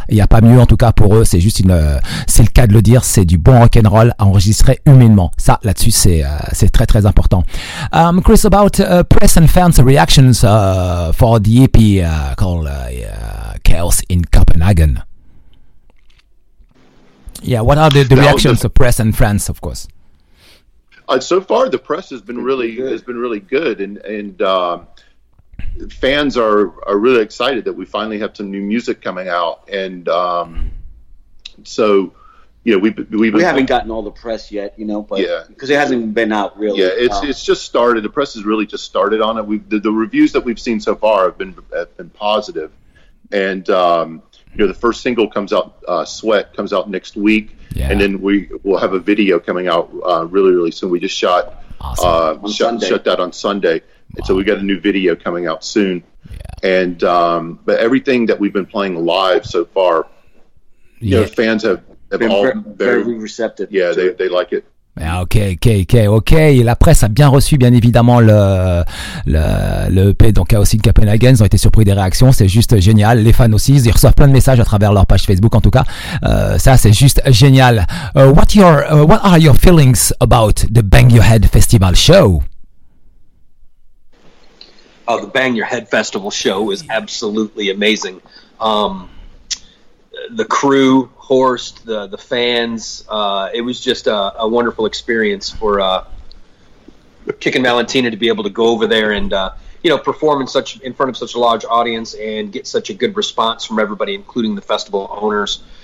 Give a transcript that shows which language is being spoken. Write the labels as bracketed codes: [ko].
[fr] Il y a pas mieux, en tout cas pour eux, c'est juste une c'est le cas de le dire, c'est du bon rock'n'roll enregistré humainement. Ça, là-dessus, c'est très très important. [en] Chris, about press and fans' reactions for the EP called Chaos in Copenhagen. Yeah, what are the reactions of press and fans, of course? So far, the press has been really good, and fans are really excited that we finally have some new music coming out, and. So, you know, we haven't gotten all the press yet, you know, but because it hasn't been out really. Yeah, it's just started. The press has really just started on it. The reviews that we've seen so far have been positive. And, you know, the first single comes out, Sweat, comes out next week. Yeah. And then we will have a video coming out really, really soon. We just shot, shut that on Sunday. Wow. And so we got a new video coming out soon. Yeah. And, but everything that we've been playing live so far, you know, fans have been very receptive. Yeah, they like it. Ok. [fr] La presse a bien reçu, bien évidemment, le EP, donc Chaos in Copenhagen. Ils ont été surpris des réactions. C'est juste génial. Les fans aussi, ils reçoivent plein de messages à travers leur page Facebook, en tout cas. Ça, c'est juste génial. [en] What are your feelings about the Bang Your Head Festival show? Oh, the Bang Your Head Festival show is absolutely amazing. The crew, Horst, the fans, it was just a wonderful experience for Kick and Valentina to be able to go over there and you know, perform in front of such a large audience and get such a good response from everybody, including the festival owners.